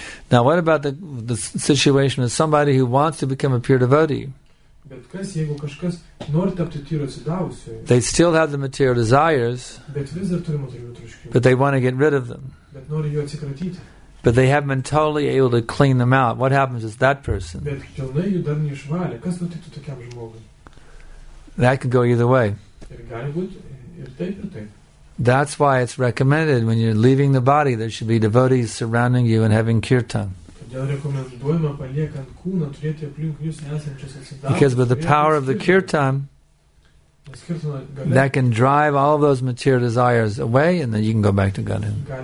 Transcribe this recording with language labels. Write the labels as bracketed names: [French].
[English] Now what about the situation of somebody who wants to become a pure devotee? [Lithuanian] Bet kas, jeigu kažkas nori tapti tyro sidavusioje, [English] they still have the material desires, [Lithuanian] bet vis dar turi materialių troškimų, [English] but they want to get rid of them. [Lithuanian] Bet nori jų atsikratyti. [English] But they haven't been totally able to clean them out. What happens to that person? [Lithuanian] Bet pilnai jų dar neišvalė. Kas nutiktų tokiam žmogui? [English] That could go either way. [Lithuanian] Ir gali būti ir taip, ir taip. [English] That's why it's recommended when you're leaving the body there should be devotees surrounding you and having kirtan. Because with the power of the kirtan, that can drive all those material desires away and then you can go back to Godhead.